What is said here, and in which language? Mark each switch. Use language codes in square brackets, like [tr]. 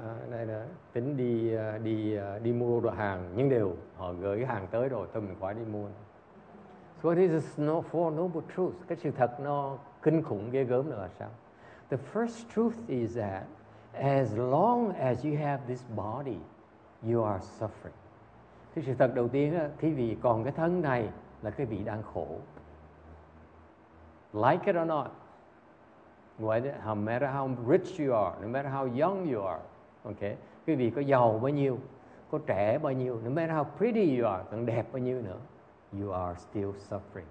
[vi] Đây là tính đi đi mua đồ hàng, nhưng đều họ gửi hàng tới rồi, thôi mình khỏi đi mua. [en] So what is the four noble truths? [vi] Cái sự thật nó kinh khủng ghê gớm là sao? [en] The first truth is that as long as you have this body, you are suffering. [vi] Cái sự thật đầu tiên là khi vị còn cái thân này là cái vị đang khổ. [en] Like it or not, no matter how rich you are, no matter how young you are, okay, [vi] quý vị có giàu bao nhiêu, [en] có trẻ bao nhiêu, no matter how pretty you are, [vi] còn đẹp bao nhiêu nữa, [en] you are still suffering.